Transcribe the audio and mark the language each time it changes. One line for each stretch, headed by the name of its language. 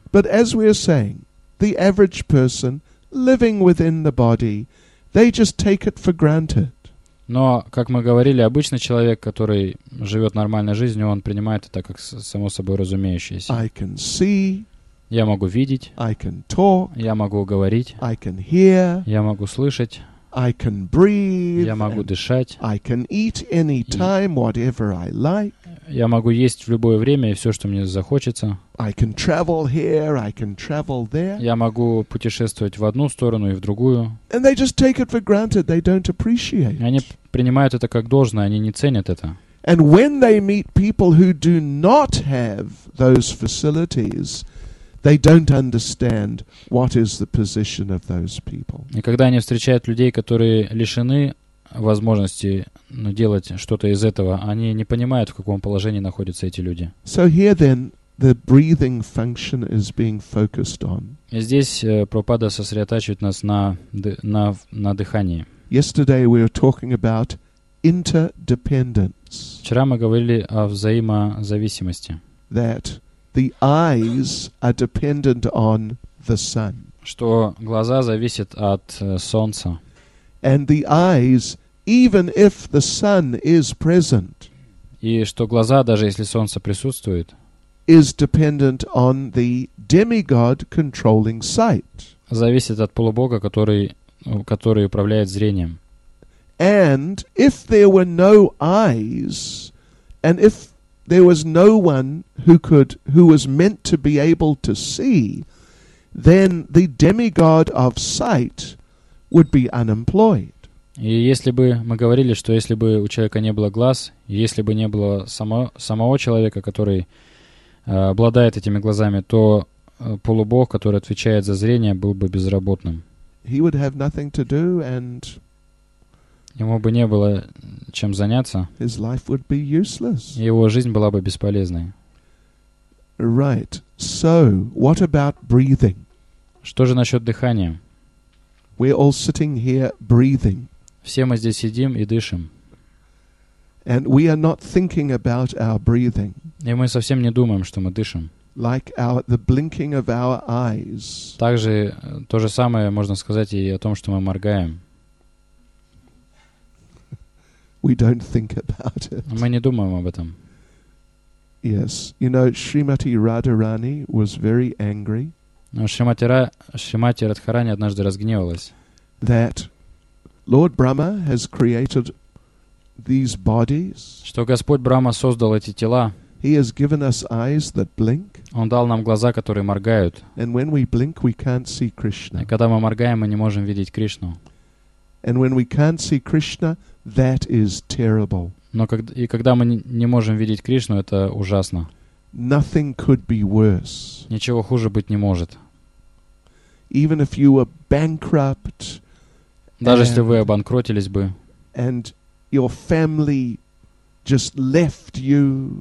English: But as we are saying, the average person living within the body. They just take it for granted.
Russian: Но, как мы говорили, обычный человек, который живет нормальной жизнью, он принимает это как само собой разумеющееся.
English: I can see.
Russian: Я могу видеть.
English: I can talk.
Russian: Я могу говорить.
English: I can hear.
Russian: Я могу слышать.
English: I can breathe.
Russian: Я могу дышать.
English: I can eat any time, whatever I like.
Russian: Я могу есть в любое время и все, что мне захочется.
English: I can travel here, I can travel there.
Russian: Я могу путешествовать в одну сторону и в другую.
English: And they just take it for granted, they don't appreciate.
Russian: Они принимают это как должное, они не ценят это.
English: And when they meet people who do not have those facilities, they don't understand what is the position of those people.
Russian: И когда они встречают людей, которые лишены возможности делать что-то из этого, они не понимают, в каком положении находятся эти люди.
English: So here then, the breathing function is being focused on.
Russian: И здесь Прабхупада сосредотачивает нас на дыхании.
English: Yesterday we were talking about interdependence.
Russian: Вчера мы говорили о взаимозависимости.
English: That the eyes are dependent on the sun.
Russian: Что глаза зависят от солнца.
English: And the eyes, even if the sun is present,
Russian: и что глаза, даже если солнце присутствует,
English: is dependent on the demigod controlling sight.
Russian: Зависит от полубога, который управляет зрением.
English: And if there were no eyes, and if there was no one who was meant to be able to see, then the demigod of sight would be unemployed.
Russian: И если бы мы говорили, что если бы у человека не было глаз, если бы не было самого человека, который обладает этими глазами, то полубог, который отвечает за зрение, был бы безработным.
English: He would have nothing to do, and
Russian: ему бы не было чем заняться.
English: His life would be useless.
Russian: Его жизнь была бы бесполезной.
English: Right. So, what about breathing?
Russian: Что же насчет дыхания?
English: We're all sitting here breathing.
Russian: Все мы здесь сидим и дышим.
English: And we are not thinking about our breathing.
Russian: И мы совсем не думаем, что мы дышим.
English: Like the blinking of our eyes.
Russian: Также то же самое можно сказать и о том, что мы моргаем.
English: We don't think about it.
Russian: Мы не думаем об этом.
English: Yes, you know, Shrimati Radharani was very angry.
Russian: Но Шримати Радхарани однажды разгневалась.
English: That Lord Brahma has created these bodies.
Russian: Что Господь Брахма создал эти тела.
English: He has given us eyes that blink.
Russian: Он дал нам глаза, которые моргают.
English: And when we blink, we can't see Krishna.
Russian: И когда мы моргаем, мы не можем видеть Кришну.
English: And when we can't see Krishna, that is terrible.
Russian: Когда мы не можем видеть Кришну, это ужасно.
English: Nothing could be worse.
Russian: Ничего хуже быть не может.
English: Even if you were bankrupt,
Russian: даже если вы обанкротились бы,
English: and your family just left you,